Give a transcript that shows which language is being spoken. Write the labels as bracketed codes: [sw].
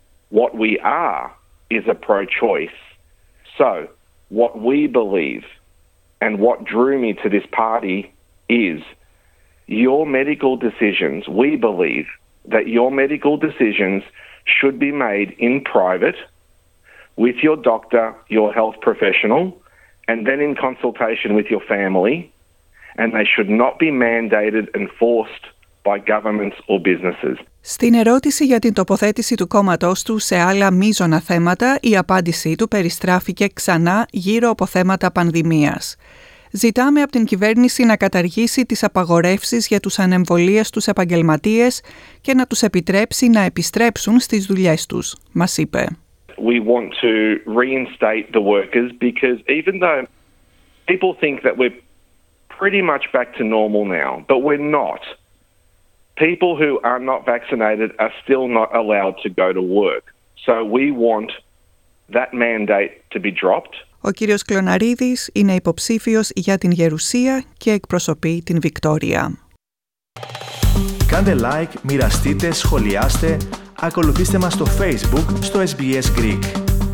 [en] What we are is a pro-choice. So, what we believe and what drew me to this party is your medical decisions, we believe that your medical decisions should be made in private with your doctor, your health professional, and then in consultation with your family, and they should not be mandated and forced by governments or businesses. [el] Στην ερώτηση για την τοποθέτηση του κόμματός του σε άλλα μείζωνα θέματα, η απάντησή του περιστράφηκε ξανά γύρω από θέματα πανδημίας. Ζητάμε από την κυβέρνηση να καταργήσει τις απαγορεύσεις για τους ανεμβολίες τους επαγγελματίες και να τους επιτρέψει να επιστρέψουν στις δουλειές τους, μας είπε. [en] We want to reinstate the workers because even though people think that we're pretty much back to normal now, but we're not. People who are not vaccinated are still not allowed to go to work. So we want that mandate to be dropped. [el] Ο κύριος Κλωναρίδης είναι υποψήφιος για την Γερουσία και εκπροσωπεί την Βικτόρια. Κάντε like, μοιραστείτε, σχολιάστε, ακολουθήστε μας στο Facebook στο SBS Greek.